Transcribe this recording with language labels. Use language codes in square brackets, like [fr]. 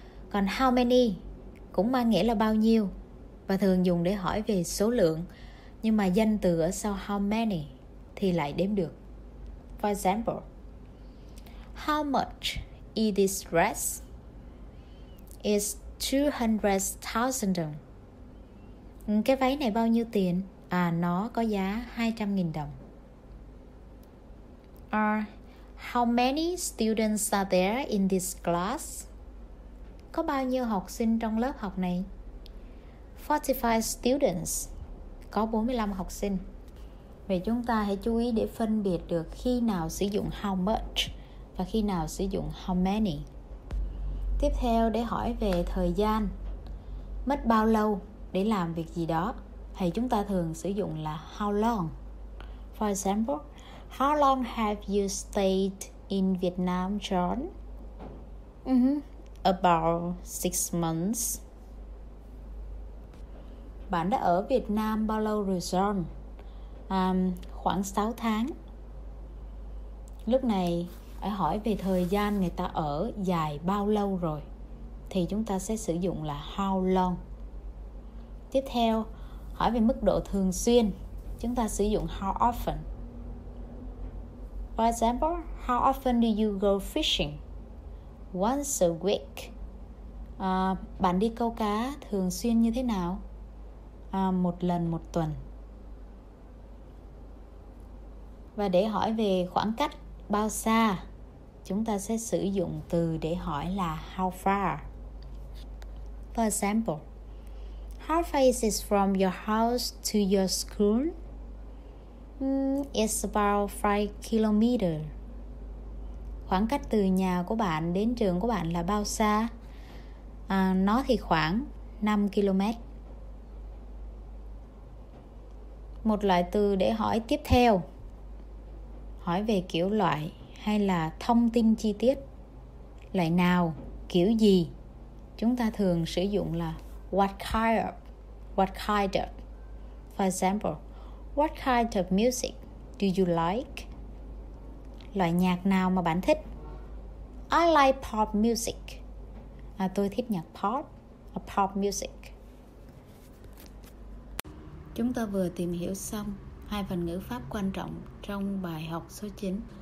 [vi] Còn how many cũng mang nghĩa là bao nhiêu và thường dùng để hỏi về số lượng, nhưng mà danh từ ở sau how many thì lại đếm được. [en] For example, how much is this dress? It's 200,000. [vi] Cái váy này bao nhiêu tiền? À, nó có giá 200.000 đồng. [en] Or how many students are there in this class? [vi] Có bao nhiêu học sinh trong lớp học này? [en] 45 students. [vi] Có 45 học sinh. Vậy chúng ta hãy chú ý để phân biệt được khi nào sử dụng how much và khi nào sử dụng how many. Tiếp theo, để hỏi về thời gian, mất bao lâu để làm việc gì đó, thì chúng ta thường sử dụng là how long. [en] For example, how long have you stayed in Vietnam, John? About 6 months. [vi] Bạn đã ở Việt Nam bao lâu rồi, John? Khoảng 6 tháng. Lúc này hãy hỏi về thời gian người ta ở dài bao lâu rồi, thì chúng ta sẽ sử dụng là how long. Tiếp theo, hỏi về mức độ thường xuyên, chúng ta sử dụng how often. [en] For example, how often do you go fishing? Once a week. [vi] Bạn đi câu cá thường xuyên như thế nào? Một lần một tuần. Và để hỏi về khoảng cách bao xa, chúng ta sẽ sử dụng từ để hỏi là how far. [en] For example, how far is it from your house to your school? It's about 5 kilometers. [vi] Khoảng cách từ nhà của bạn đến trường của bạn là bao xa? Nó thì khoảng 5 km. Một loại từ để hỏi tiếp theo, hỏi về kiểu loại hay là thông tin chi tiết, loại nào, kiểu gì, chúng ta thường sử dụng là what kind of. [en] What kind of. For example, what kind of music do you like? [vi] Loại nhạc nào mà bạn thích? [en] I like pop music. [vi] Tôi thích nhạc pop, pop music. Chúng ta vừa tìm hiểu xong hai phần ngữ pháp quan trọng trong bài học số 9.